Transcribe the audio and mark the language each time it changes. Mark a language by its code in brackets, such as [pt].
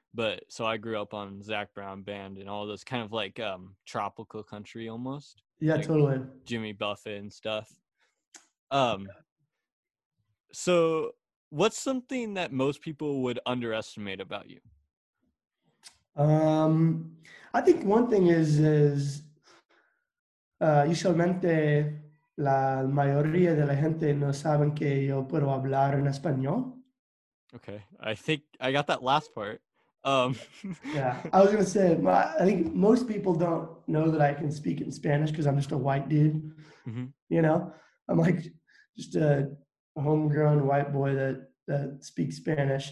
[en] But so I grew up on Zac Brown Band and all those kind of like tropical country almost. Yeah, like totally. Jimmy Buffett and stuff. So what's something that most people would underestimate about you? I think one thing is [es] usualmente la mayoría de la gente no saben que yo puedo hablar en español. [en] Okay, I think I got that last part. Yeah, I was gonna say, I think most people don't know that I can speak in Spanish because I'm just a white dude. Mm-hmm. You know, I'm like just a homegrown white boy that speaks Spanish.